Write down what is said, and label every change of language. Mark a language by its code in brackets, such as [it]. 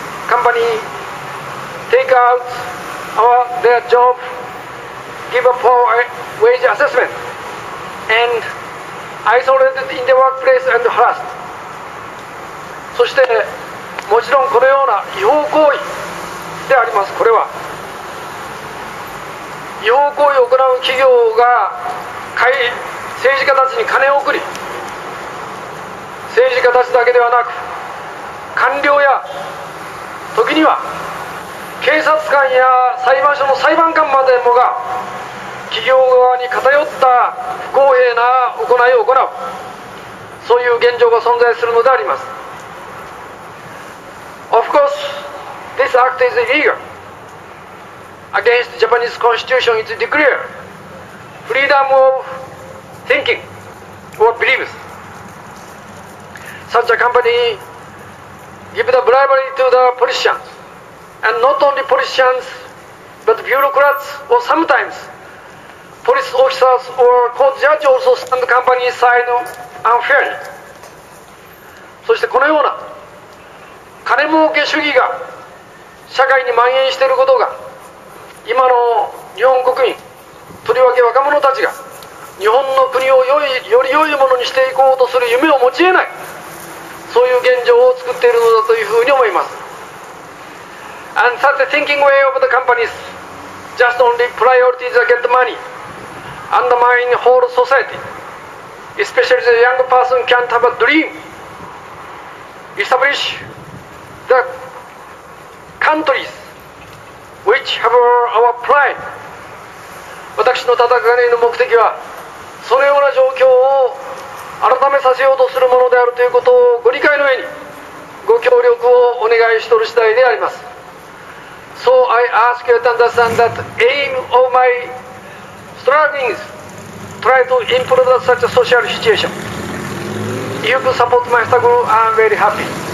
[en] Company take out their job, give a poor wage assessment, and isolated in the workplace and harassed. [ja] そしてもちろんこのような違法行為であります。これは違法行為を行う企業が政治家たちに金を送り、政治家たちだけではなく官僚や時には警察官や裁判所の裁判官までもが企業側に偏った不公平な行いを行う、そういう現状が存在するのであります。 [en] Of course, this act is illegal. Against Japanese constitution, it's declared freedom of thinking or beliefs. Such a company give the bribery to the politicians, and not only politicians, but bureaucrats or sometimes police officers or court judge also stand company side unfairly. [ja] そしてこのような金儲け主義が社会に蔓延していることが、今の日本国民、とりわけ若者たちが日本の国をより良いものにしていこうとする夢を持ち得ない、そういう現状を作っているのだというふうに思います。 [en] And such a thinking way of the companies just only priorities against money undermine whole society, especially the young person can't have a dream establishThe countries which have our pride. [ja] 私の戦いの目的は、そのような状況を改めさせようとするものであるということをご理解の上に、ご協力をお願いしとる次第であります。 [en] So I ask you to understand that aim of my struggling is try to improve such a social situation. If you support my struggle, I am very happy.